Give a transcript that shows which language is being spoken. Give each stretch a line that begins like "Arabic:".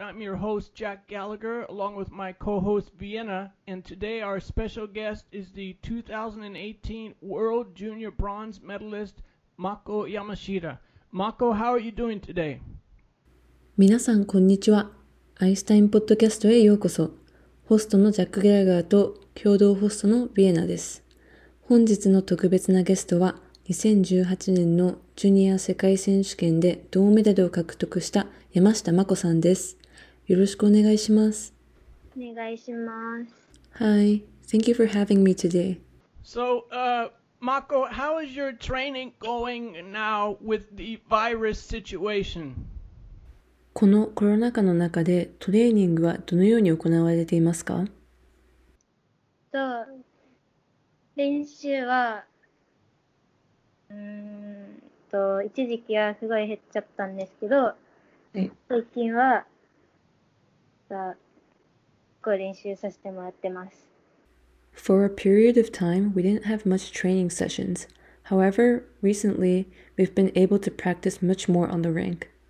English: I'm your host, Jack Gallagher, along with my co-host, Vienna. And today our special guest is the 2018 World Junior Bronze Medalist, Mako Yamashita. Mako, how are you doing today?
Japanese: 皆さん、こんにちは。アイスタインポッドキャストへようこそ。ホストのジャック・ギャラガーと共同ホストのビエナです。本日の特別なゲストは、2018年のジュニア世界選手権で銅メダルを獲得した山下真子さんです。よろしくお願いします。お願いします。
English: Hi, thank you for having me today. So, Mako, how is your training going now with the virus situation?
Japanese: このコロナ禍の中でトレーニングはどのように行われていますか？そう、練習は、一時期はすごい減っちゃったんですけど、最近は、練習させてもらってます。
English: For a period of time, we didn't have much training sessions. However, recently, we've been able to practice much more on the rink.